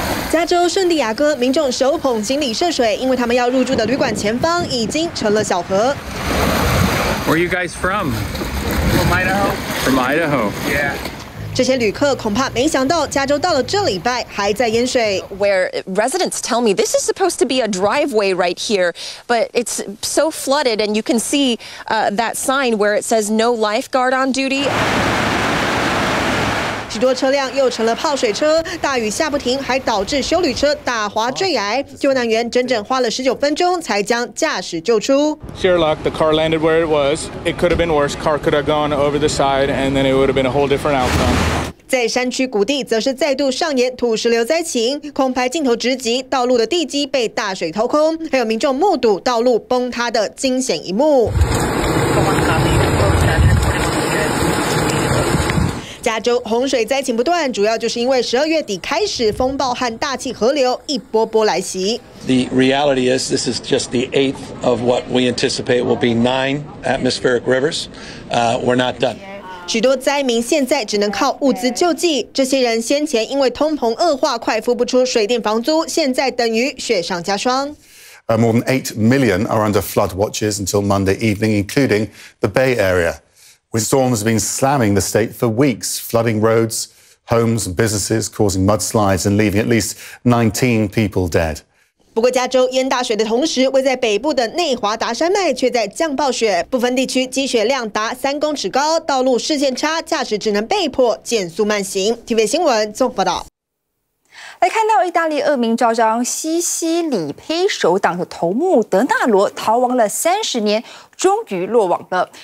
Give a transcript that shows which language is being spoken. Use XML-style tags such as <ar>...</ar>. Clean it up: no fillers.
<zh>加州圣地亚哥民众手捧行李涉水，因为他们要入住的旅馆前方已经成了小河。</zh> <en>Where are you guys from? From Idaho. From Idaho. Yeah.</en> <zh>这些旅客恐怕没想到，加州到了这礼拜还在淹水。</zh> <en>Where residents tell me this is supposed to be a driveway right here, but it's so flooded, and you can see that sign where it says no lifeguard on duty.</en> <zh>许多车辆又成了泡水车，大雨下不停，还导致休旅车打滑坠崖。救难员整整花了19分钟才将驾驶救出。</zh> <en>Sheer luck, the car landed where it was. It could have been worse. Car could have gone over the side, and then it would have been a whole different outcome.</en> <zh>在山区谷地则是再度上演土石流灾情，空拍镜头直击道路的地基被大水掏空，还有民众目睹道路崩塌的惊险一幕。加州洪水灾情不断，主要就是因为12月底开始风暴和大气河流一波波来袭。</zh> <en>The reality is, this is just the eighth of what we anticipate will be 9 atmospheric rivers. We're not done.</en> <zh>许多灾民现在只能靠物资救济，这些人先前因为通膨恶化快付不出水电房租，现在等于雪上加霜。</zh> <en>More than 8 million are under flood watches until Monday evening, including the Bay Area. With storms have been slamming the state for weeks, flooding roads, homes and businesses, causing mudslides and leaving at least 19 people dead.</en> <zh>不过加州淹大水的同时，位在北部的内华达山脉却在降暴雪，部分地区积雪量达3公尺高，道路视线差，驾驶只能被迫减速慢行。 TV 新闻综合报道。来看到意大利恶名昭彰西西里黑手党的头目德纳罗逃亡了30年，终于落网了。</zh>